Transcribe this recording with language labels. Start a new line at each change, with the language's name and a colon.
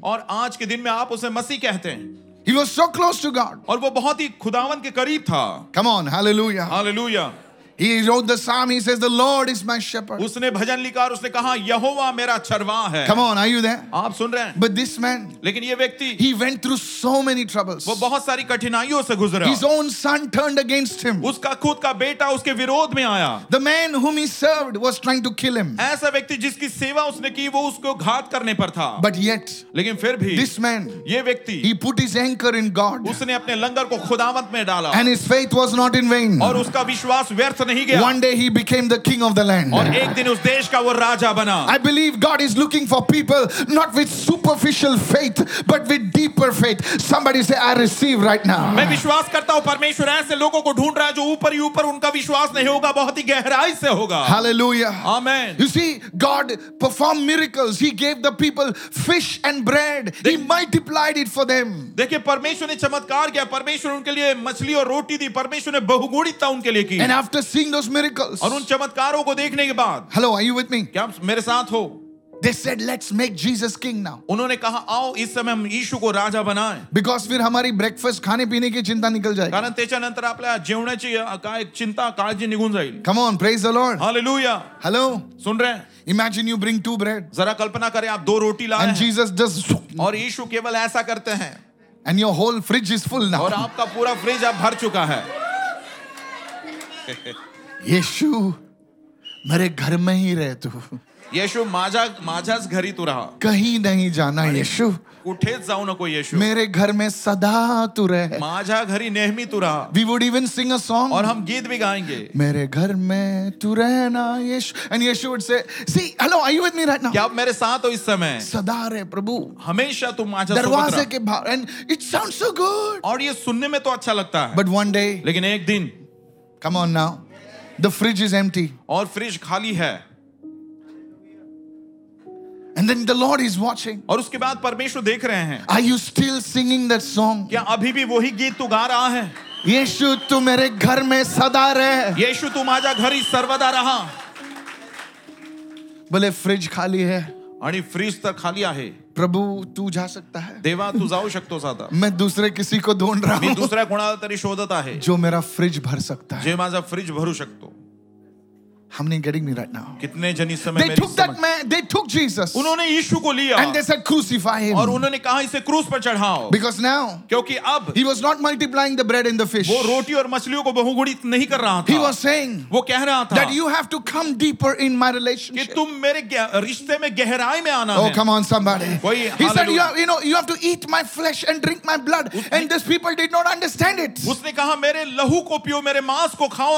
Hindi: और आज के दिन में आप उसे मसीह कहते हैं.
English: He was so close to God.
Hindi: और वो बहुत ही खुदावन के करीब था.
English: Come on, hallelujah. Hallelujah. He wrote the psalm. He says, "The Lord is my shepherd."
Hindi: उसने भजन लिखा और उसने कहा, यहोवा मेरा चरवा है.
English: Come on, are you there?
Hindi: आप सुन रहे हैं?
English: But this man,
Hindi: लेकिन ये व्यक्ति,
English: he went through so many troubles.
Hindi: वो बहुत सारी कठिनाइयों से गुजरा.
English: His own son turned against him.
Hindi: उसका खुद का बेटा उसके विरोध में आया.
English: The man whom he served was trying to kill him.
Hindi: ऐसा व्यक्ति जिसकी सेवा उसने की, वो उसको घात करने पर था.
English: But yet,
Hindi: लेकिन फिर भी,
English: this man,
Hindi: ये व्यक्ति,
English: he put his anchor in God.
Hindi: उसने अपने लंगर को खुदावंत में डाला.
English: And his faith was not in vain.
Hindi: और उसका विश्वास व्यर्थ.
English: One day he became the king of the land.
Hindi: और एक दिन उस देश का वो राजा बना.
English: I believe God is looking for people not with superficial faith but with deeper faith. Somebody say, I receive right now.
Hindi: मैं विश्वास करता हूँ परमेश्वर ऐसे लोगों को ढूंढ रहा है जो ऊपर ही ऊपर उनका विश्वास नहीं होगा, बहुत ही गहराई से होगा.
English: Hallelujah. Amen. You see, God performed miracles. He gave the people fish and bread. He multiplied it for them.
Hindi: देखिए परमेश्वर ने चमत्कार किया, परमेश्वर उनके लिए मछली और रोटी दी, परमेश्वर ने बहुगुणितता उनके लिए की.
English: And after seeing those miracles,
Hindi: और उन चमत्कारों को देखने के बाद,
English: hello, are you with me?
Hindi: क्या आप मेरे साथ हो?
English: They said, let's make Jesus king now.
Hindi: उन्होंने कहा, आओ इस समय हम यीशु को राजा बनाएं.
English: Because
Hindi: फिर हमारी breakfast खाने पीने की चिंता निकल जाएगी.
Marathi: कारण तेचा नंतर आपले जेवणाची एक चिंता काळजी निघून जाईल.
English: Come on, praise the Lord. Hallelujah. Hello.
Hindi: सुन रहे हैं?
English: Imagine you bring two bread.
Hindi: जरा कल्पना करें आप दो रोटी ला रहे हैं.
English: And Jesus just.
Hindi: और यीशु केवल ऐसा करते हैं.
English: And your whole fridge is full now.
Hindi: और आपका पूरा फ्रिज अब भर चुका है. येशु मेरे घर में ही रह तू.
Marathi: येशु माझा माझाच घरी तू रहा.
Hindi: कहीं नहीं जाना येशु.
Marathi: उठेच जाऊ नको येशु.
Hindi: मेरे घर में सदा तू रह.
Marathi: माझा घरी नेहमी तू रहा.
English: We would even sing a song.
Hindi: और हम गीत भी गाएंगे. मेरे घर में तू रहना Yeshu.
English: And Yeshu would say, see, hello, are you with me right now?
Hindi: क्या आप मेरे साथ हो इस समय? सदा रहे प्रभु.
Marathi: हमेशा तू माझा
Hindi: दरवाजे के बाहर.
English: And it sounds so good.
Hindi: और ये सुनने में तो अच्छा लगता है.
English: But one day.
Hindi: लेकिन एक दिन.
English: Come on now. The fridge is empty.
Hindi: और फ्रिज खाली है.
English: And then the Lord is watching.
Hindi: और उसके बाद परमेश्वर देख रहे हैं.
English: Are you still singing that song?
Hindi: क्या अभी भी वही गीत तू गा रहा है? यीशु तू मेरे घर में सदा रह.
Marathi: यीशु तू माझा घरी सर्वदा रहा.
Hindi: बोले फ्रिज खाली है.
Marathi: आणि फ्रिज तर खाली आहे.
Hindi: प्रभु तू जा सकता है.
Marathi: देवा तू जाऊ शकतो साधा.
Hindi: मैं दूसरे किसी को ढूंढ रहा हूं.
Marathi: मी दुसऱ्या कोणाला तरी शोधत आहे.
Hindi: जो मेरा फ्रिज भर सकता है.
Marathi: जे माझा फ्रिज भरू शकतो.
English: How many getting me right now?
Hindi: कितने जनी समय
English: they took that man, they took Jesus.
Hindi: उन्होंने यीशु को लिया.
English: And they said, crucify him.
Hindi: और उन्होंने कहा इसे क्रूस पर चढ़ाओ.
English: Because now,
Hindi: क्योंकि अब,
English: he was not multiplying the bread and the fish.
Hindi: वो रोटी और मछलियों को बहुगुणित नहीं कर रहा था.
English: He was saying,
Hindi: वो कह रहा था,
English: that you have to come deeper in my relationship.
Hindi: कि तुम मेरे रिश्ते में गहराई में आना oh, है.
English: Oh, come on, somebody.
Hindi: कोई
English: he said, you have to eat my flesh and drink my blood. And these people did not understand it.
Hindi: उसने कहा मेरे लहू को पियो, मेरे मांस को खाओ.